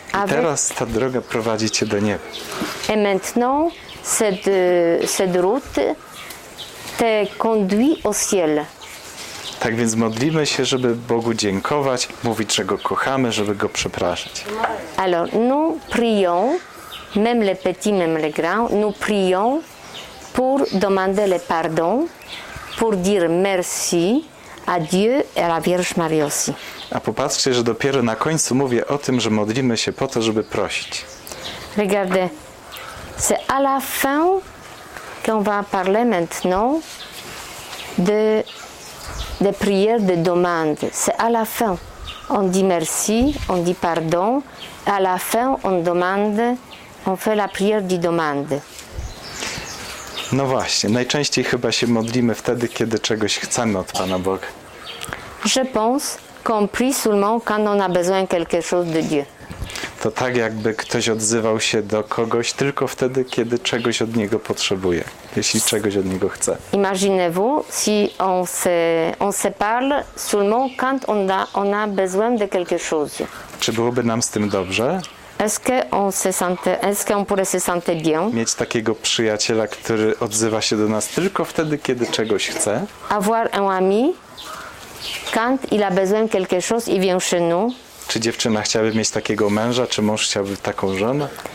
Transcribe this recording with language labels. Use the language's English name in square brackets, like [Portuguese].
[Polish] Teraz ta droga prowadzi cię do nieba. [French] Et maintenant, cette route te conduit au ciel. [Polish] Tak więc modlimy się, żeby Bogu dziękować, mówić, że Go kochamy, żeby Go przepraszać. [French] Alors, nous prions, même les petits, même les grands, nous prions pour demander le pardon, pour dire merci à Dieu et à la Vierge Marie aussi. [Polish] A popatrzcie, że dopiero na końcu mówię o tym, że modlimy się po to, żeby prosić. [French] Regardez, c'est à la fin qu'on va parler maintenant de des prières, des demandes. C'est à la fin. On dit merci, on dit pardon. À la fin, on demande, on fait la prière de demande. [Polish] No właśnie, najczęściej chyba się modlimy wtedy, kiedy czegoś chcemy od Pana Boga. [French] Je pense qu'on prie seulement quand on a besoin quelque chose de Dieu. [Polish] To tak, jakby ktoś odzywał się do kogoś tylko wtedy, kiedy czegoś od niego potrzebuje, jeśli czegoś od niego chce. [French] Imaginez-vous si on se parle seulement quand on a besoin de quelque chose. [Polish] Czy byłoby nam z tym dobrze? [French] Est-ce qu'on pourrait se sentir bien? [Polish] Mieć takiego przyjaciela, który odzywa się do nas tylko wtedy, kiedy czegoś chce. [French] Avoir un ami quand il a besoin quelque chose il vient chez nous. [Polish] Czy dziewczyna chciałaby mieć takiego męża, czy mąż chciałby taką żonę?